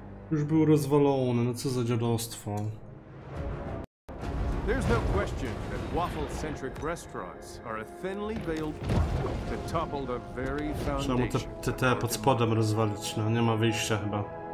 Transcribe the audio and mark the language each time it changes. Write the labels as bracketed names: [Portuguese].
[Polish] Już był rozwalony, no co za dziadostwo. [English] There's no question that waffle-centric restaurants are a thinly veiled to topple the very foundation. [Polish] Trzeba mu te pod spodem rozwalić, no nie ma wyjścia chyba.